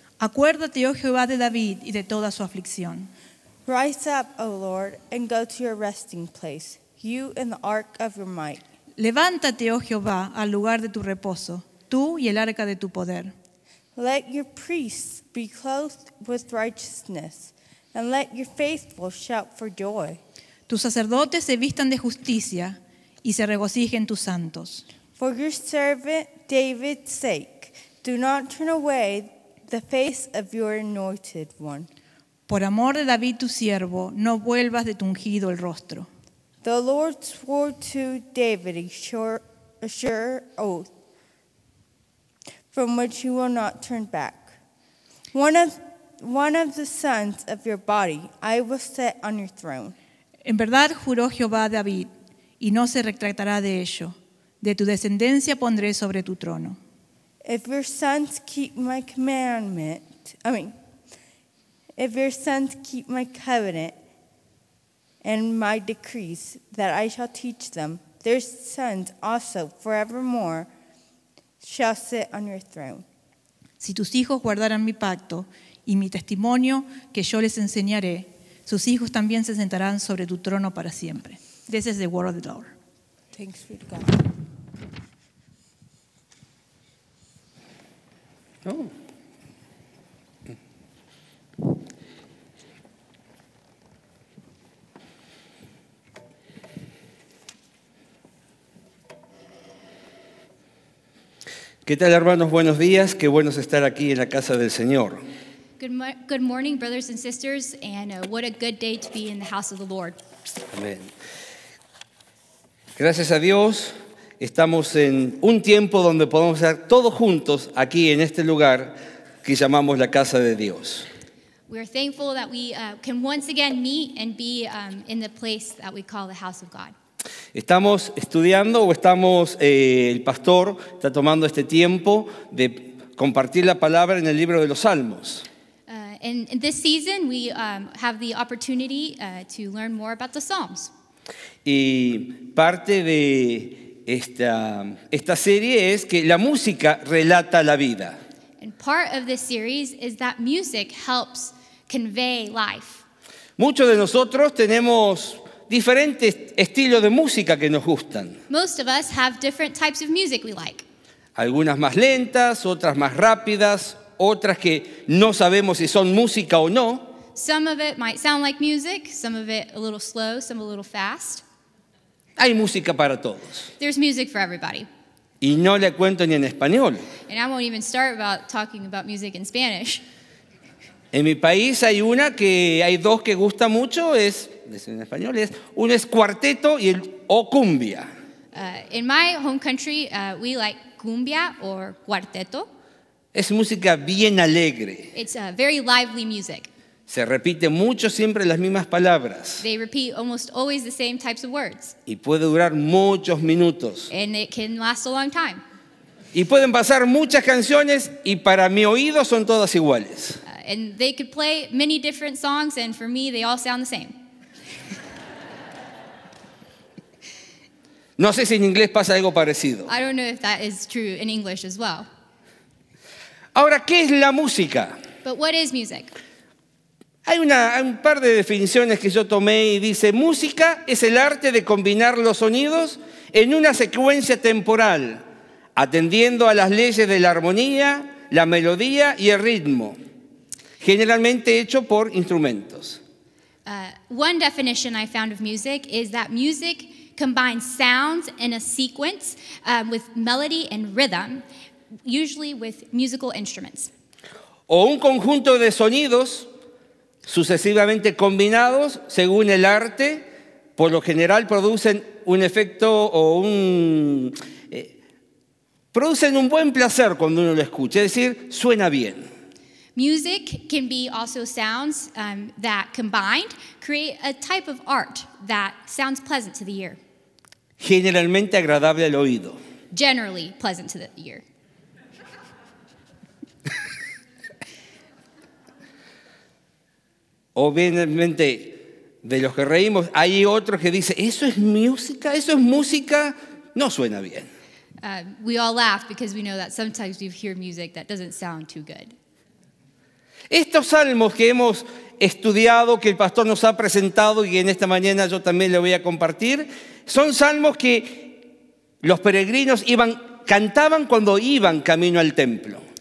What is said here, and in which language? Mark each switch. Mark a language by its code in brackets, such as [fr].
[es] Acuérdate, oh Jehová, de David y de toda su aflicción. [en] Rise up, O Lord, and go to your resting place, you and the ark of your might. [es] Levántate, oh Jehová, al lugar de tu reposo, tú y el arca de tu poder. [en] Let your priests be clothed with righteousness, and let your faithful shout for joy. [es] Tus sacerdotes se vistan de justicia y se regocijen tus santos. [en] For your servant David's sake, do not turn away the face of your anointed one. [es] Por amor de David tu siervo, no vuelvas de tu ungido el rostro. [en] The Lord swore to David a sure oath, from which he will not turn back. One of the sons of your body, I will set on your throne. [es] En verdad juró Jehová a David, y no se retractará de ello. De tu descendencia pondré sobre tu trono. [en] If your sons keep my covenant and my decrees that I shall teach them, their sons also forevermore shall sit on your throne. [es] Si tus hijos guardaran mi pacto y mi testimonio que yo les enseñaré, sus hijos también se sentarán sobre tu trono para siempre. [en] This is the word of the Lord. Thanks be to God. [es] ¿Qué tal, hermanos? Buenos días. Qué bueno estar aquí en la casa del Señor. [en] Good morning, brothers and sisters, and what a good day to be in the house of the Lord. [es] Amén. Gracias a Dios, estamos en un tiempo donde podemos estar todos juntos aquí en este lugar que llamamos la casa de Dios. [en] We are thankful that we can once again meet and be in the place that we call the house of God. [es] Estamos estudiando o estamos, el pastor está tomando este tiempo de compartir la palabra en el libro de los Salmos. [en] In this season, we have the opportunity to learn more about the Psalms. [es] Y parte de esta serie es que la música relata la vida. [en] And part of this series is that music helps convey life. [es] Muchos de nosotros tenemos diferentes estilos de música que nos gustan. [en] Most of us have different types of music we like. [es] Algunas más lentas, otras más rápidas, otras que no sabemos si son música o no. [en] Some of it might sound like music, some of it a little slow, some a little fast. [es] Hay música para todos. [en] There's music for everybody. [es] Y no le cuento ni en español. [en] And I won't even start about talking about music in Spanish. [es] En mi país hay una que hay dos que gusta mucho, es en español, es uno es cuarteto y el o cumbia. [en] In my home country, we like cumbia or cuarteto. [es] Es música bien alegre. [en] It's a very lively music. [es] Se repite mucho siempre las mismas palabras. [en] They repeat almost always the same types of words. [es] Y puede durar muchos minutos. [en] And it can last a long time. [es] Y pueden pasar muchas canciones y para mi oído son todas iguales. [en] And they could play many different songs and for me they all sound the same. [es] No sé si en inglés pasa algo parecido. [en] I don't know if that is true in English as well. [es] Ahora, ¿qué es la música? [en] But what is music? [es] Hay un par de definiciones que yo tomé y dice, música es el arte de combinar los sonidos en una secuencia temporal, atendiendo a las leyes de la armonía, la melodía y el ritmo, generalmente hecho por instrumentos. One definition I found of music is that music combines sounds in a sequence with melody and rhythm, usually with musical instruments. O un conjunto de sonidos sucesivamente combinados según el arte, por lo general producen un efecto o un... producen un buen placer cuando uno lo escucha, es decir, suena bien. [en] Music can be also sounds that combined create a type of art that sounds pleasant to the ear. [es] Generalmente agradable al oído. [en] Generally pleasant to the ear. [es] Obviamente, de los que reímos, hay otros que dicen, eso es música, eso es música, no suena bien. [en] We all laugh because we know that sometimes we hear music that doesn't sound too good. [es] Estos salmos que hemos estudiado, que el pastor nos ha presentado y en esta mañana yo también le voy a compartir, son salmos que los peregrinos iban, cantaban cuando iban camino al templo.